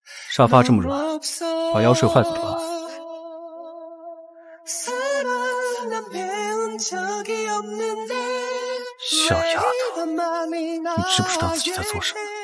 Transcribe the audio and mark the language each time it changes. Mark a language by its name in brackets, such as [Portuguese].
[Chinese] 沙发这么软，把腰睡坏了吧。 [Korean] 사랑난배운적이없는데 [Chinese] 小丫头，你知不知道自己在做什么？